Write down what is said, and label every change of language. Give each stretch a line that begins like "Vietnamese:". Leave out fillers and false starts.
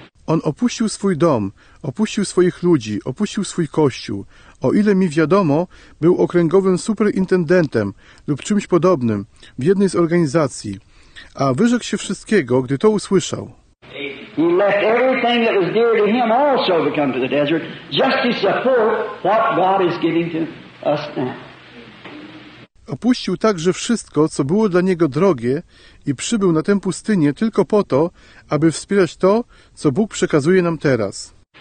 Polish: On opuścił swój dom, opuścił swoich ludzi, opuścił swój kościół. O ile mi wiadomo, był okręgowym superintendentem lub czymś podobnym w jednej z organizacji, a wyrzekł się wszystkiego, gdy to usłyszał.
English: He left everything that was dear to him also to come to the desert just to support what God is giving to us now.
Polish: Opuścił także wszystko, co było dla niego drogie i przybył na tę pustynię tylko po to, aby wspierać to, co Bóg przekazuje nam teraz.